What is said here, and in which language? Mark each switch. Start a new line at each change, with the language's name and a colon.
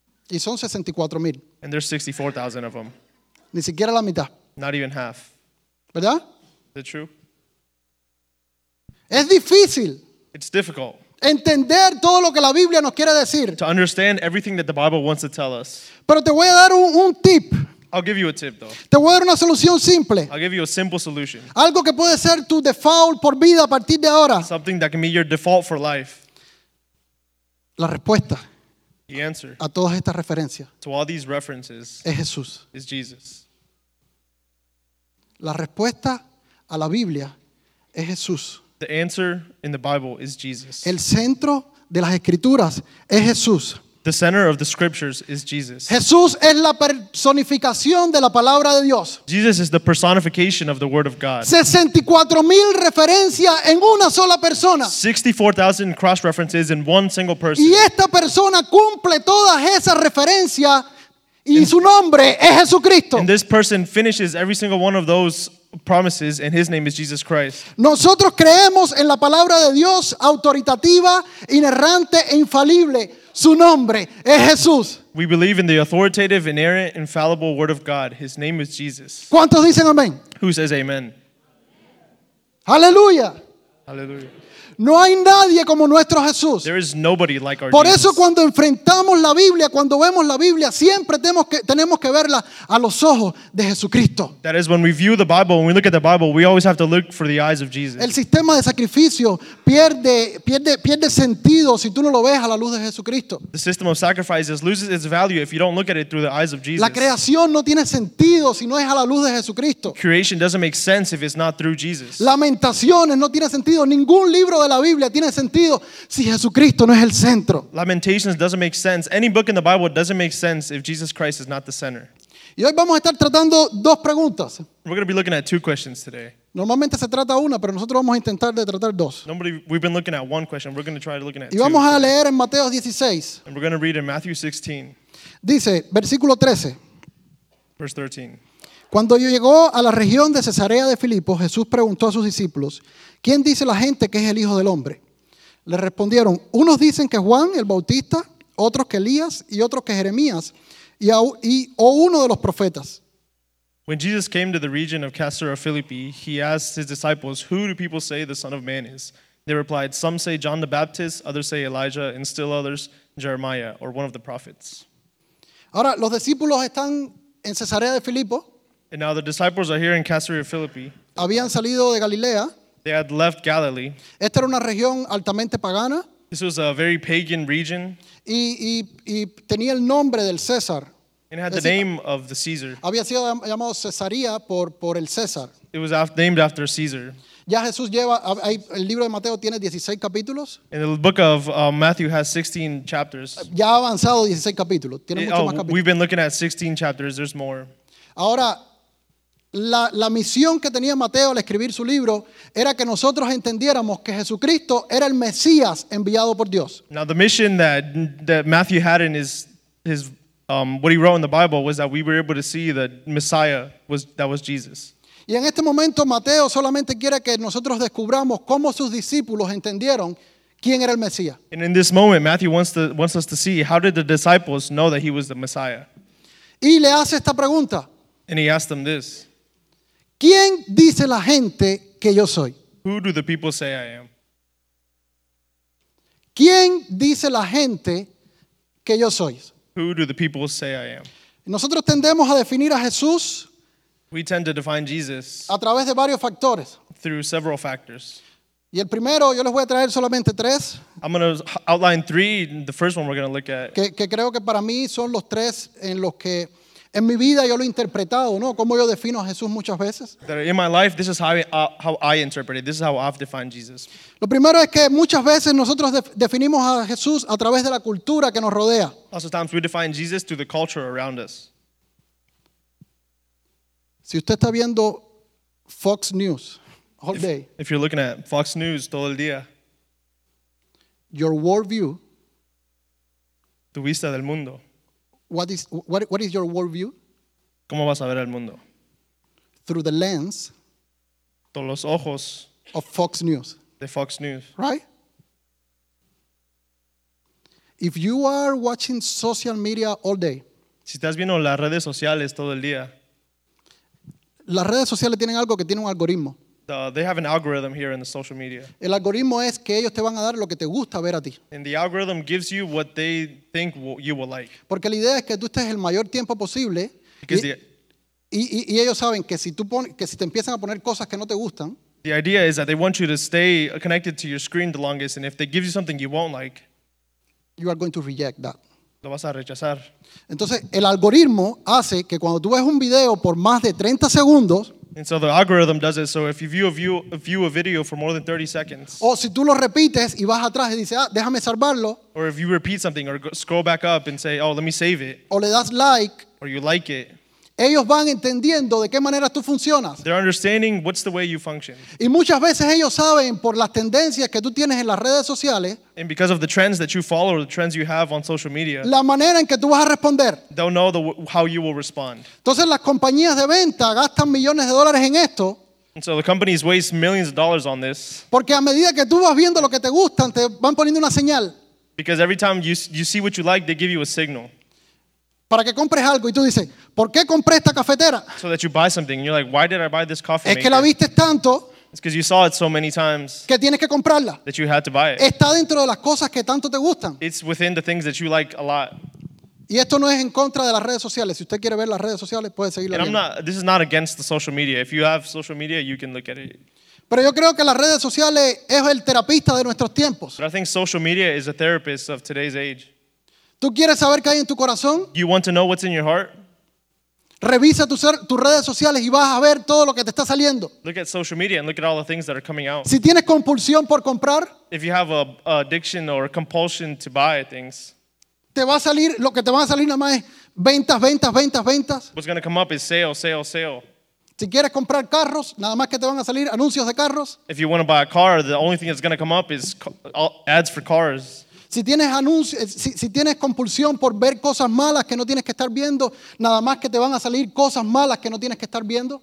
Spanish: Y son 64,000.
English: And there's 64,000 of them.
Spanish: Ni siquiera la mitad.
English: Not even half.
Spanish: ¿Verdad?
English: Is it true?
Spanish: Es difícil.
English: It's difficult.
Spanish: Entender todo lo que la Biblia nos quiere decir.
English: To understand everything that the Bible wants to tell us.
Spanish: Pero te voy a dar un tip.
English: I'll give you a tip though.
Spanish: Te voy a dar una solución simple.
English: I'll give you a simple solution.
Spanish: Algo que puede ser tu default por vida a partir de ahora.
English: Something that can be your default for life.
Spanish: La respuesta.
English: The answer.
Spanish: A todas estas referencias.
English: To all these references.
Spanish: Es Jesús.
English: Is Jesus.
Spanish: La respuesta a la Biblia es Jesús.
English: The answer in the Bible is Jesus.
Spanish: El centro de las escrituras es Jesús.
English: The center of the scriptures is Jesus.
Spanish: Jesús es la personificación de la palabra de Dios.
English: Jesus is the personification of the word of God.
Spanish: 64,000 referencias en una sola persona.
English: 64,000 cross references in one single person.
Spanish: Y esta persona cumple todas esas referencias y su nombre es Jesucristo.
English: And this person finishes every single one of those promises, and his name is Jesus Christ.
Spanish: Nosotros creemos en la palabra de Dios autoritativa, inerrante e infalible. Su nombre es Jesús.
English: We believe in the authoritative, inerrant, infallible word of God. His name is Jesus.
Spanish: ¿Cuántos dicen amén?
English: Who says amen? Hallelujah.
Spanish: Aleluya. No hay nadie como nuestro Jesús.
English: There is nobody like our
Spanish: Por
English: Jesus.
Spanish: Eso cuando enfrentamos la Biblia, cuando vemos la Biblia, siempre tenemos que verla a los ojos de Jesucristo.
English: That is when we view the Bible, when we look at the Bible, we always have to look for the eyes of Jesus.
Spanish: El sistema de sacrificio pierde sentido si tú no lo ves a la luz de Jesucristo.
English: The system of sacrifices loses its value if you don't look at it through the eyes of Jesus.
Spanish: La creación no tiene sentido si no es a la luz de Jesucristo.
English: Creation doesn't make sense if it's not through Jesus.
Spanish: Lamentaciones no tiene sentido. Ningún libro de la Biblia tiene sentido si Jesucristo no es el centro.
English: Lamentations doesn't make sense. Any book in the Bible doesn't make sense if Jesus Christ is not the center.
Spanish: Y hoy vamos a estar tratando dos preguntas.
English: We're going to be looking at two questions today.
Spanish: Normalmente se trata una, pero nosotros vamos a intentar de tratar dos.
English: We've been looking at one question. We're going to try looking at two.
Spanish: Y vamos a leer en Mateo 16.
English: And we're going to read in Matthew 16.
Spanish: Dice, versículo 13.
English: Verse 13.
Spanish: Cuando llegó a la región de Cesarea de Filipo, Jesús preguntó a sus discípulos, ¿quién dice la gente que es el Hijo del Hombre? Le respondieron, unos dicen que Juan el Bautista, otros que Elías y otros que Jeremías, o uno de los profetas.
English: When Jesus came to the region of Caesarea Philippi, he asked his disciples, who do people say the Son of Man is? They replied, some say John the Baptist, others say Elijah, and still others, Jeremiah, or one of the prophets.
Spanish: Ahora, los discípulos están en Cesarea de Filipo.
English: And now the disciples are here in Caesarea Philippi.
Spanish: Habían salido de Galilea.
English: They had left Galilee.
Spanish: Esta era una región altamente pagana.
English: This was a very pagan region.
Spanish: Y tenía el nombre del César.
English: And it had the name of the Caesar.
Spanish: Había sido llamado Cesarea por el César.
English: It was named after Caesar.
Spanish: Ya Jesús lleva, el libro de Mateo tiene 16 capítulos.
English: And the book of Matthew has 16 chapters.
Spanish: Ya ha avanzado 16 capítulos. Tiene mucho más capítulos.
English: We've been looking at 16 chapters. There's more.
Spanish: Ahora, la misión que tenía Mateo al escribir su libro era que nosotros entendiéramos que Jesucristo era el Mesías enviado por Dios.
English: Now the mission that Matthew had in his what he wrote in the Bible was that we were able to see that Messiah was Jesus.
Spanish: Y en este momento Mateo solamente quiere que nosotros descubramos cómo sus discípulos entendieron quién era el Mesías.
English: And in this moment Matthew wants us to see how did the disciples know that he was the Messiah.
Spanish: Y le hace esta pregunta.
English: And he asked them this.
Spanish: ¿Quién dice la gente que yo soy?
English: Who do the people say I am?
Spanish: ¿Quién dice la gente que yo soy?
English: Who do the people say I am?
Spanish: Nosotros tendemos a definir a Jesús.
English: We tend to define Jesus.
Spanish: A través de varios factores.
English: Through several factors.
Spanish: Y el primero, yo les voy a traer solamente tres.
English: I'm going to outline three. The first one we're going to look at.
Spanish: Que creo que para mí son los tres en los que en mi vida yo lo he interpretado, ¿no? Cómo yo defino a Jesús muchas veces.
English: In my life, this is how I interpret it. This is how I've defined Jesus.
Spanish: Lo primero es que muchas veces nosotros definimos a Jesús a través de la cultura que nos rodea.
English: Lots of times we define Jesus through the culture around us.
Spanish: Si usted está viendo Fox News
English: all day. If you're looking at Fox News
Spanish: todo el día.
English: Your worldview.
Spanish: Tu vista del mundo.
English: What is your worldview?
Spanish: ¿Cómo vas a ver el mundo?
English: Through the lens.
Spanish: Todos los ojos.
English: Of Fox News.
Spanish: De Fox News.
English: Right? If you are watching social media all day.
Spanish: Si estás viendo las redes sociales todo el día. Las redes sociales tienen algo que tiene un algoritmo.
English: They have an algorithm here in the social media.
Spanish: El algoritmo es que ellos te van a dar lo que te gusta ver a ti.
English: And the algorithm gives you what they think you will like.
Spanish: Porque la idea es que tú estés el mayor tiempo posible. Y ellos saben que si te empiezan a poner cosas que no te gustan.
English: The idea is that they want you to stay connected to your screen the longest, and if they give you something you won't like, you are going to reject that.
Spanish: Lo vas a rechazar. Entonces, el algoritmo hace que cuando tú ves un video por más de 30 segundos.
English: And so the algorithm does it. So if you view a video for more than 30 seconds.
Spanish: O si tú lo repites y vas atrás y dices, déjame salvarlo.
English: Or if you repeat something or scroll back up and say, oh, let me save it.
Spanish: O le das like.
English: Or you like it.
Spanish: Ellos van entendiendo de qué manera tú funcionas.
English: They're understanding what's the way you function.
Spanish: Y muchas veces ellos saben por las tendencias que tú tienes en las redes sociales.
English: And because of the trends that you follow or the trends you have on social media.
Spanish: La manera en que tú vas a responder.
English: They'll know how you will respond.
Spanish: Entonces las compañías de venta gastan millones de dólares en esto.
English: And so the companies waste millions of dollars on this.
Spanish: Porque a medida que tú vas viendo lo que te gustan, te van poniendo una señal.
English: Because every time you see what you like, they give you a signal.
Spanish: Para que compres algo y tú dices, ¿por qué compré esta cafetera?
English: So that you buy something and you're like, why did I buy this coffee maker?
Spanish: Es que la viste tanto.
English: It's because you saw it so many times.
Spanish: Que tienes que comprarla.
English: That you had to buy it.
Spanish: Está dentro de las cosas que tanto te gustan.
English: It's within the things that you like a lot.
Spanish: Y esto no es en contra de las redes sociales. Si usted quiere ver las redes sociales, puede seguirla.
English: And I'm not, this is not against the social media. If you have social media, you can look at it.
Spanish: Pero yo creo que las redes sociales es el terapista de nuestros tiempos.
English: But I think social media is a therapist of today's age.
Spanish: ¿Tú quieres saber qué hay en tu corazón?
English: You want to know what's in your heart?
Spanish: Revisa tus redes sociales y vas a ver todo lo que te está saliendo.
English: Look at social media and look at all the things that are coming out.
Spanish: Si tienes compulsión por comprar,
English: if you have an addiction or a compulsion to buy things,
Spanish: te va a salir, lo que te va a salir nada más es ventas, ventas, ventas, ventas.
English: What's going to come up is sale, sale, sale.
Spanish: Si quieres comprar carros, nada más que te van a salir anuncios de carros.
English: If you want to buy a car, the only thing that's going to come up is ads for cars.
Spanish: Si tienes si tienes compulsión por ver cosas malas que no tienes que estar viendo, nada más que te van a salir cosas malas que no tienes que estar viendo.